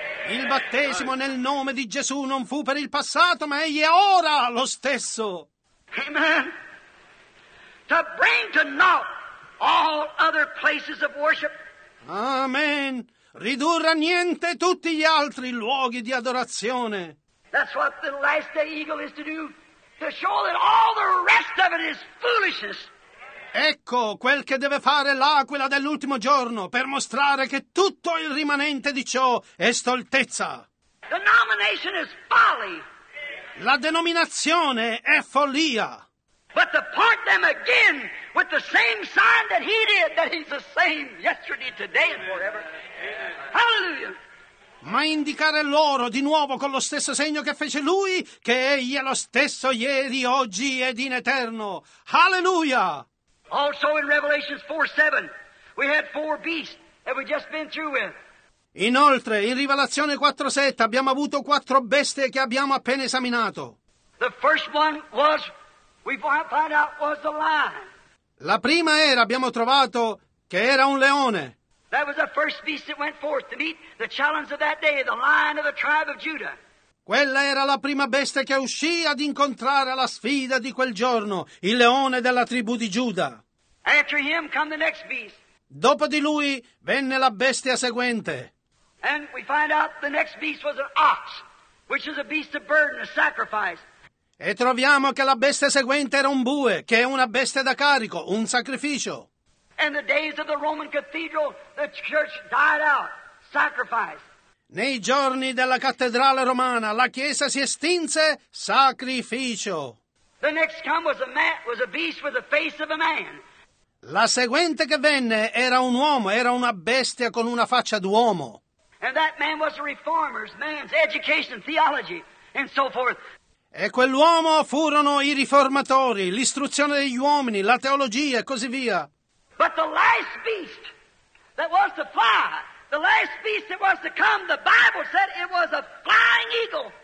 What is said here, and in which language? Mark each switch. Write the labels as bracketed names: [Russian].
[Italian] Il battesimo nel nome di Gesù non fu per il passato, ma egli è ora lo stesso. [English] Amen. To bring to naught all other places of worship. Amen. [Italian] Ridurre a niente tutti gli altri luoghi di adorazione. [English] That's what the last day eagle is to do. To show that all the rest of it is foolishness. [Italian] Ecco quel che deve fare l'aquila dell'ultimo giorno per mostrare che tutto il rimanente di ciò è stoltezza. [English] The nomination is folly. [Italian] La denominazione è follia. [English] But to part them again with the same sign that he did, that he's the same yesterday, today and forever. Amen. Hallelujah. [Italian] Ma indicare loro di nuovo con lo stesso segno che fece lui, che egli è lo stesso ieri, oggi ed in eterno. Alleluia! [English] Also in Revelation 4:7, we had four beasts that we just been through with. [Italian] Inoltre, in Rivelazione 4:7 abbiamo avuto quattro bestie che abbiamo appena esaminato. [English] The first one was, we find out, was the lion. [Italian] La prima era, abbiamo trovato, che era un leone. [English] That was the first beast that went forth to meet the challenge of that day, the lion of the tribe of Judah. [Italian] Quella era la prima bestia che uscì ad incontrare la sfida di quel giorno, il leone della tribù di Giuda. [English] After him come the next beast. [Italian] Dopo di lui venne la bestia seguente. [English] And we find out the next beast was an ox, which is a beast of burden, a sacrifice. [Italian] E troviamo che la bestia seguente era un bue, che è una bestia da carico, un sacrificio. [English] And the days of the Roman cathedral, the church died out, sacrifice. [Italian] Nei giorni della cattedrale romana, la chiesa si estinse, sacrificio. [English] The next come was a man, was a beast with the face of a man. [Italian] La seguente che venne era un uomo, era una bestia con una faccia d'uomo. [English] And that man was a reformer, man's education, theology, and so forth. [Italian] E quell'uomo furono i riformatori, l'istruzione degli uomini, la teologia e così via. [English] But the last beast that was to fly, the last beast that was to come, the Bible said it was a flying eagle.